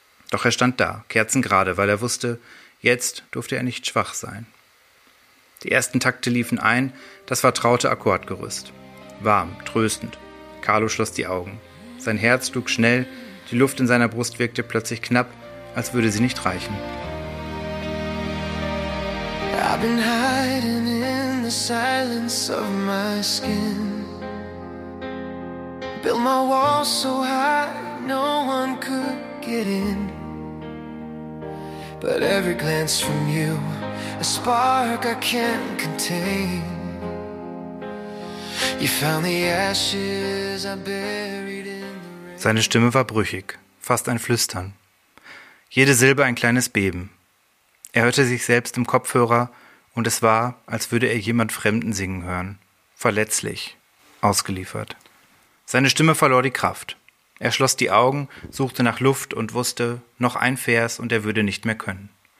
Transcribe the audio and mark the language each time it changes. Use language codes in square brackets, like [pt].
[de] Doch er stand da, kerzengerade, weil er wusste, jetzt durfte er nicht schwach sein. Die ersten Takte liefen ein, das vertraute Akkordgerüst. Warm, tröstend. Carlo schloss die Augen. Sein Herz schlug schnell, die Luft in seiner Brust wirkte plötzlich knapp, als würde sie nicht reichen. [en] I've been hiding in the silence of my skin. Built my wall so high no one could get in. But every glance from you, a spark I can't contain. You found the ashes I buried in the rain. [de] Seine Stimme war brüchig, fast ein Flüstern. Jede Silbe ein kleines Beben. Er hörte sich selbst im Kopfhörer. Und es war, als würde er jemand Fremden singen hören. Verletzlich. Ausgeliefert. Seine Stimme verlor die Kraft. Er schloss die Augen, suchte nach Luft und wusste, noch ein Vers und er würde nicht mehr können.